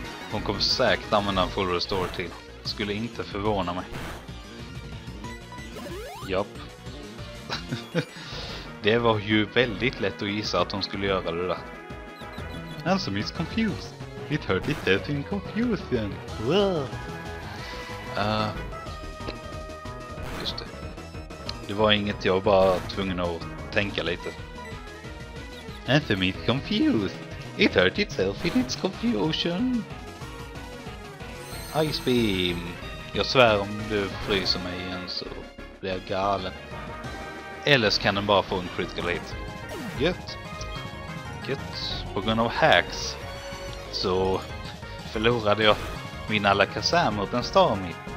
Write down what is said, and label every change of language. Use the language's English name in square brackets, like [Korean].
[Swedish] Hon kommer säkert använda en full restore till. Skulle inte förvåna mig. Japp. Det var ju väldigt lätt att gissa att hon skulle göra det där. [English] Ansem is confused. It hurt itself in confusion. [Swedish] Just det. Det var inget, jag bara tvungen att tänka lite. [English] Ansem is confused. It hurt itself in its confusion. Ice beam. [Swedish] Jag svär, om du fryser mig igen så blir jag galen. Eller så kan den bara få en critical hit. Gött. På grund av hacks så förlorade jag min Alakazam mot en Starmie.